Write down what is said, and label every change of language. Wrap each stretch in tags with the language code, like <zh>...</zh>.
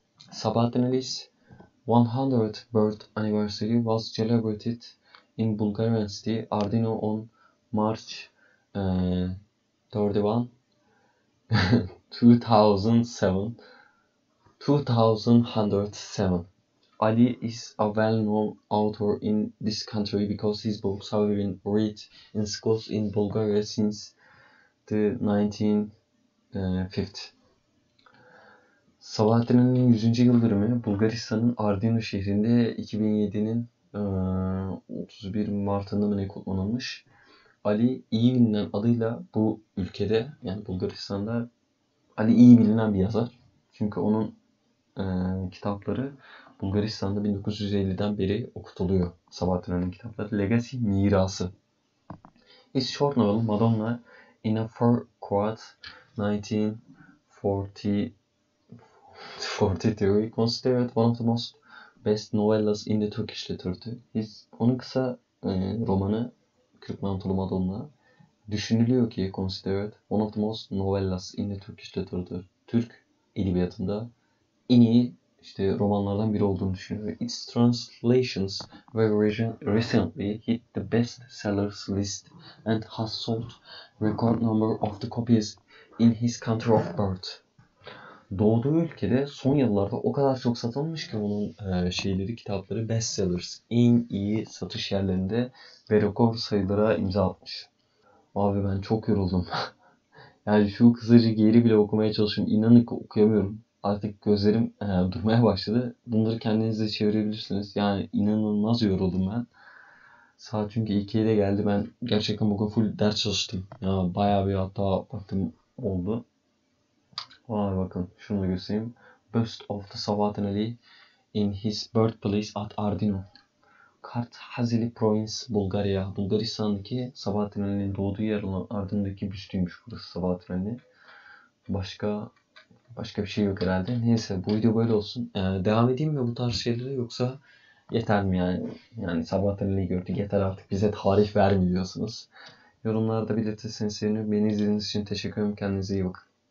<en>Sabahattin Ali's 100th birth anniversary was celebrated in Bulgarian city Ardino on March 31 2007 2107. Ali is a well-known author in this country because his books have been read in schools in Bulgaria since the 1950.</en> <tr>Sabahattin Ali'nin 100. yıl dönümü Bulgaristan'ın Ardino şehrinde 2007'nin 31 Mart'ında mı ne kutlanılmış? Ali iyi bilinen adıyla bu ülkede yani Bulgaristan'da Ali iyi bilinen bir yazar. Çünkü onun kitapları Bulgaristan'da 1950'den beri okutuluyor. Sabahattin Ali'nin kitapları. Legacy mirası.</tr> <en>His short novel Madonna in a Fur Coat 1940 43 considered one of the most best novellas in the Turkish literature.</en> <tr>Onun kısa romanı Kırk Mantolu Madonna düşünülüyor ki</tr> <en>considered one of the most novellas in the Turkish literature.</en> <tr>Türk edebiyatında en iyi işte romanlardan biri olduğunu düşünüyor.</tr> <en>Its translations were recently hit the best sellers list and has sold record number of the copies in his country of birth.</en> <tr>Doğduğu ülkede son yıllarda o kadar çok satılmış ki onun şeyleri, kitapları bestsellers. En iyi satış yerlerinde ve rekor sayılara imza atmış. Abi ben çok yoruldum. Yani şu kısaca geri bile okumaya çalışıyorum. İnanın ki okuyamıyorum. Artık gözlerim durmaya başladı. Bunları kendiniz de çevirebilirsiniz. Yani inanılmaz yoruldum ben. Saat çünkü 2'ye de geldi. Ben gerçekten bugün full ders çalıştım. Ya yani bayağı bir hatta baktım oldu. Vay bakın şunu da göstereyim.</tr> <en>Bust of the Sabahattin Ali in his birthplace at Ardino. Kartuzeli Province, Bulgaria.</en> <tr>Bulgaristan'daki Sabahattin Ali'nin doğduğu yer olan Ardino'daki büstüymüş burası Sabahattin Ali. Başka bir şey yok herhalde. Neyse bu video böyle olsun. Devam edeyim mi bu tarz şeylere yoksa yeter mi yani? Yani Sabahattin Ali'yi gördük yeter artık bize tarih vermiyorsunuz. Yorumlarda belirtirseniz sevinirim. Beni izlediğiniz için teşekkür ederim. Kendinize iyi bakın.</tr>